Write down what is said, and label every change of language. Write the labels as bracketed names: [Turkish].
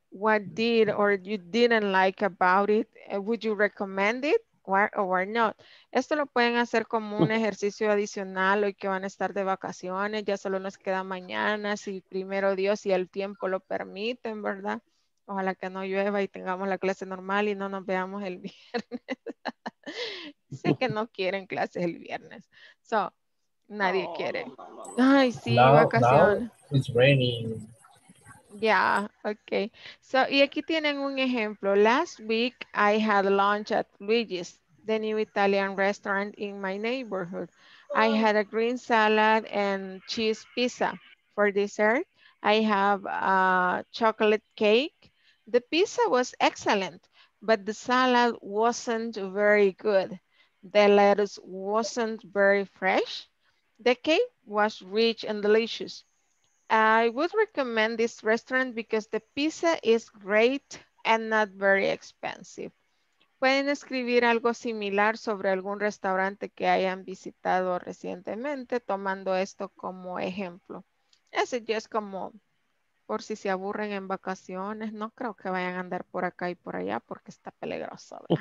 [English] What did or you didn't like about it? Would you recommend it? Or not. [Spanish] Esto lo pueden hacer como un ejercicio adicional hoy que van a estar de vacaciones, ya solo nos queda mañana, si primero Dios y el tiempo lo permiten, ¿verdad? Ojalá que no llueva y tengamos la clase normal y no nos veamos el viernes. Sé que no quieren clases el viernes. So, nadie quiere. Ay, sí, [English] now, [Spanish] vacaciones. [English] Now it's raining. [Spanish] Yeah, okay. So, y aquí tienen un ejemplo. [English] Last week, I had lunch at Luigi's, the new Italian restaurant in my neighborhood. I had a green salad and cheese pizza. For dessert, I have a chocolate cake. The pizza was excellent, but the salad wasn't very good. The lettuce wasn't very fresh. The cake was rich and delicious. I would recommend this restaurant because the pizza is great and not very expensive. [Spanish] Pueden escribir algo similar sobre algún restaurante que hayan visitado recientemente, tomando esto como ejemplo. Ese ya es como por si se aburren en vacaciones. No creo que vayan a andar por acá y por allá porque está peligroso.